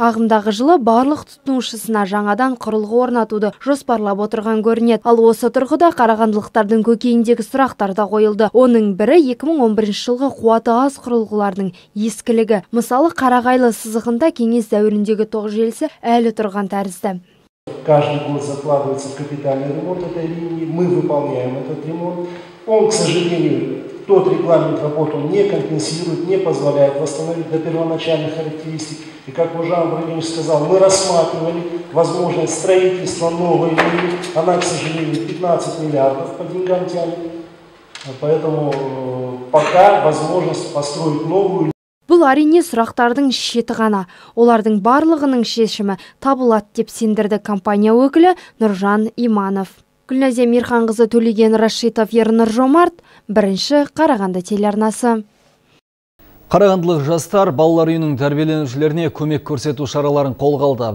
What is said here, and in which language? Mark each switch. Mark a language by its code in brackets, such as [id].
[kk] Ағымдағы жылы барлық тұтынушысына жаңадан құрылғы орнатуды жоспарлап отырған көрінеді. Ал осы тұрғыда қарағандылықтардың көкейіндегі сұрақтар да қойылды. Оның бірі 2011 жылғы қуаты аз құрылғылардың ескілігі. Мысалы, Қарағайлы сызығында кеңес дәуіріндегі тоқ желісі әлі тұрған тәрізді. [ru] Каждый год закладывается капитальный ремонт этой линии. Мы выполняем этот ремонт. Он, к сожалению, тот регламент работы не компенсирует, не позволяет восстановить до первоначальных характеристик. И как уже Жан Владимирович сказал, мы рассматривали возможность строительства новой линии. Она, к сожалению, 15 миллиардов по деньгам тянет. Поэтому пока возможность построить новую линию. [kk] Бұл әрине сұрақтардың шеті ғана. Олардың барлығының шешімі табылады деп сендірді компания өкілі Нұржан Иманов. Гүлназия Мирханқызы, Төлеген Рашитов, Ернұр Жомарт, бірінші Қарағанды телеарнасы. Қарағандылық жастар балалар үйінің тәрбиеленушілеріне көмек көрсету шараларын қолға алды.